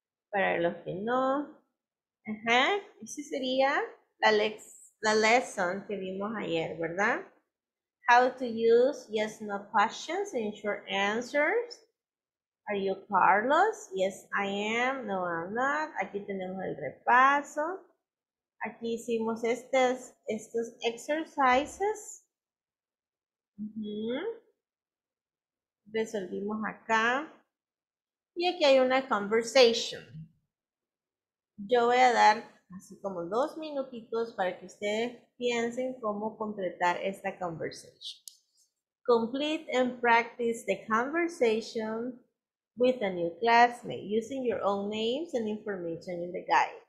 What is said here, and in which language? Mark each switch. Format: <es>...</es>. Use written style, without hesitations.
<es>Para los que no, ajá, esa sería la lesson que vimos ayer, ¿verdad?</es> <en>How to use yes, no questions in short answers. Are you Carlos? Yes, I am. No, I'm not.</en> <es>Aquí tenemos el repaso. Aquí hicimos estos exercises. Uh-huh. Resolvimos acá. Y aquí hay una conversation. Yo voy a dar así como 2 minutitos para que ustedes piensen cómo completar esta conversation.</es> <en>Complete and practice the conversation with a new classmate using your own names and information in the guide.</en>